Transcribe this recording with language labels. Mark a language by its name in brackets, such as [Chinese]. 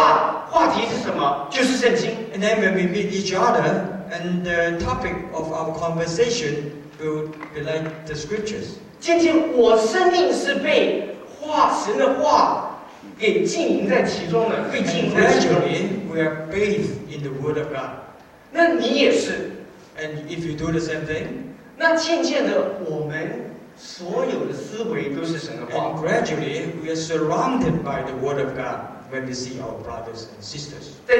[Chinese] 那很自然我们见面了。我们的话题是什么？就是圣经. [English] And then when we meet each other, and the topic of our conversation will be like the scriptures. [Chinese] 渐渐我生命是被神的话 [English] Gradually, we are bathed in the Word of God. [Chinese] 那你也是. [English] And if you do the same thing, [Chinese] 那渐渐的我们所有的思维都是神的话. [English] And gradually, we are surrounded by the Word of God when we see our brothers and sisters.